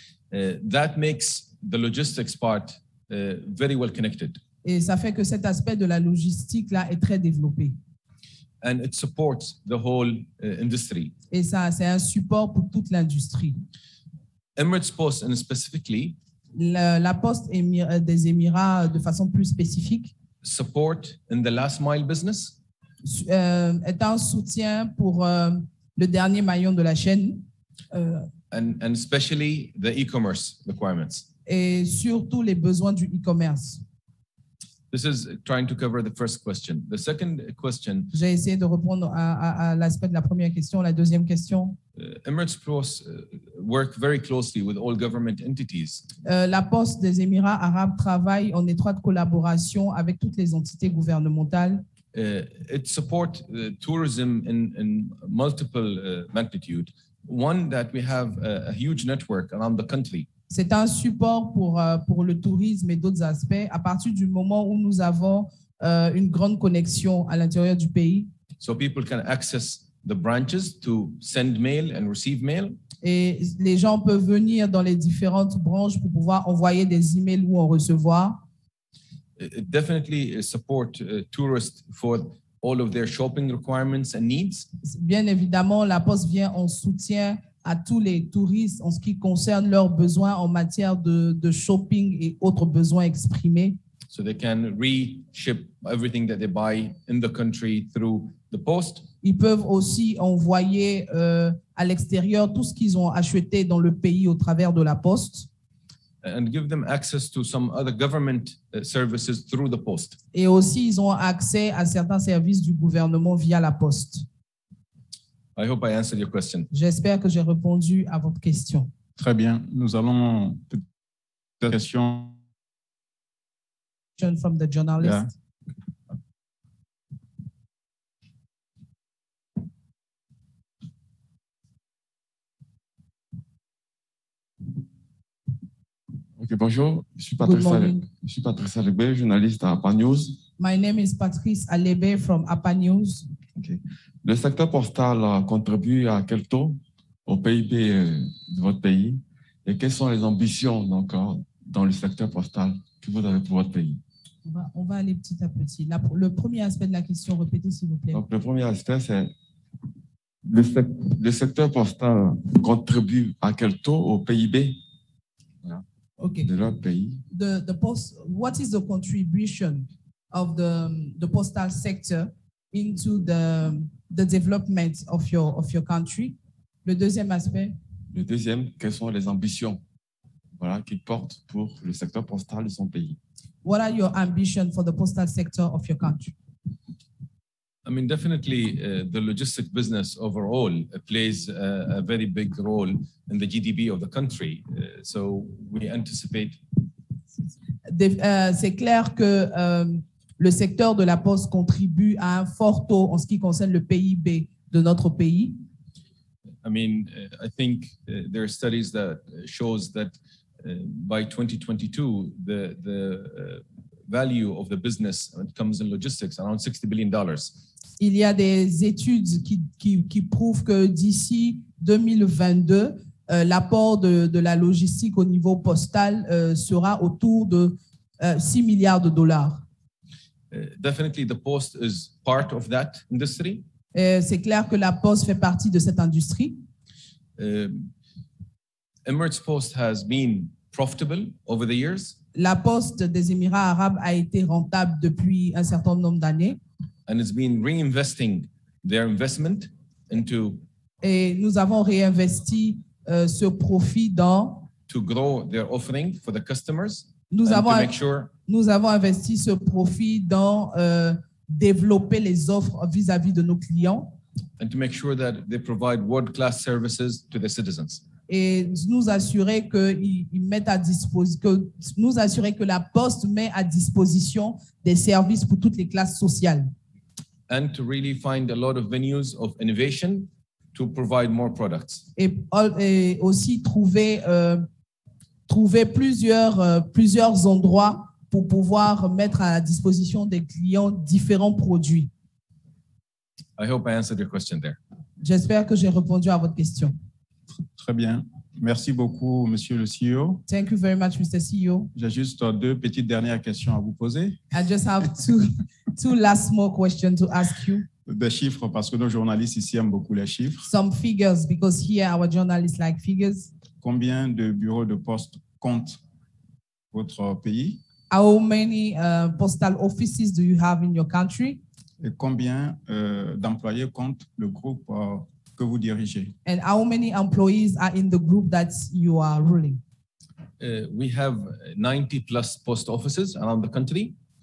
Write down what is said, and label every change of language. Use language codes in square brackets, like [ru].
[en] That makes the logistics part very well connected. [fr] Et ça fait que cet aspect de la logistique là est très développé. [en] And it supports the whole industry. [fr] Et ça, c'est un support pour toute l'industrie. [en] Emirates Post and specifically, [fr] la poste des Émirats de façon plus spécifique, [en] support in the last mile business, [fr] est un soutien pour le dernier maillon de la chaîne, [en] and especially the e-commerce requirements, [fr] et surtout les besoins du e-commerce. [en] This is trying to cover the first question. The second question. [fr] J'ai essayé de répondre à l'aspect de la première question, la deuxième question. [en] Emirates Post work very closely with all government entities. [fr] La Poste des Émirats Arabes travaille en étroite collaboration avec toutes les entités gouvernementales. [en] It supports tourism in multiple magnitude. One that we have a huge network around the country. [fr] C'est un support pour le tourisme et d'autres aspects à partir du moment où nous avons une grande connexion à l'intérieur du pays. [en] So people can access the branches to send mail and receive mail. [fr] Et les gens peuvent venir dans les différentes branches pour pouvoir envoyer des emails ou en recevoir. [en] It definitely support tourists for all of their shopping requirements and needs. [fr] Bien évidemment, la Poste vient en soutien à tous les touristes en ce qui concerne leurs besoins en matière de shopping et autres besoins exprimés. [en] So they can reship everything that they buy in the country through the post. [fr] Ils peuvent aussi envoyer à l'extérieur tout ce qu'ils ont acheté dans le pays au travers de la poste. [en] And give them access to some other government services through the post. [fr] Et aussi ils ont accès à certains services du gouvernement via la poste. [en] I hope I answered your question. [fr] J'espère que j'ai répondu à votre question. Très bien. Nous allons peut-être question [en] from the journalist. Yeah. [fr] Okay, bonjour, je suis Patrice Alebe, journaliste à APA News. [en] My name is Patrice Alebe from APA News. Okay. [fr] Le secteur postal contribue à quel taux au PIB de votre pays et quelles sont les ambitions donc, dans le secteur postal que vous avez pour votre pays? On va aller petit à petit. Le premier aspect de la question, répétez s'il vous plaît. Donc, le premier aspect, c'est le secteur postal contribue à quel taux au PIB? [en] Okay. [fr] De leur pays. [en] The post, what is the contribution of the postal sector into the development of your country? [fr] Le deuxième aspect. Le deuxième, quelles sont les ambitions voilà qu'ils portent pour le secteur postal de son pays? [en] What are your ambitions for the postal sector of your country? I mean, definitely, the logistic business overall plays a very big role in the GDP of the country. So we anticipate. [fr] C'est clair que le secteur de la poste contribue à un fort taux en ce qui concerne le PIB de notre pays. [en] I mean, I think there are studies that shows that by 2022, the value of the business when it comes in logistics around $60 billion. [fr] Il y a des études qui prouvent que d'ici 2022, l'apport de la logistique au niveau postal sera autour de $6 billion. [en] Definitely, the post is part of that industry. [fr] C'est clair que la poste fait partie de cette industrie. [en] Emirates Post has been profitable over the years. [fr] La poste des Émirats arabes a été rentable depuis un certain nombre d'années. [en] And it's been reinvesting their investment into. [fr] Et nous avons réinvesti ce profit dans. [en] To grow their offering for the customers. [fr] Nous avons. [en] To make sure. [fr] Nous avons investi ce profit dans développer les offres vis-à-vis de nos clients. [en] And to make sure that they provide world-class services to the citizens. [fr] Et nous assurer que ils mettent à disposition, que nous assurer que la poste met à disposition des services pour toutes les classes sociales. [en] And to really find a lot of venues of innovation to provide more products. [fr] Et aussi trouver plusieurs endroits pour pouvoir mettre à disposition des clients différents produits. [en] I hope I answered your question there. [fr] J'espère que j'ai répondu à votre question. Très bien. Merci beaucoup, Monsieur le CEO. [en] Thank you very much, Mr. CEO. [fr] J'ai juste deux petites dernières questions à vous poser. [en] I just have two last small questions to ask you. [fr] Des chiffres, parce que nos journalistes ici aiment beaucoup les chiffres. [en] Some figures, because here our journalists like figures. [fr] Combien de bureaux de poste compte votre pays? [en] How many postal offices do you have in your country? [fr] Et combien d'employés compte le groupe que vous dirigez? [en] And how many employees are in the group that you are ruling? We have 90 plus post offices around the country.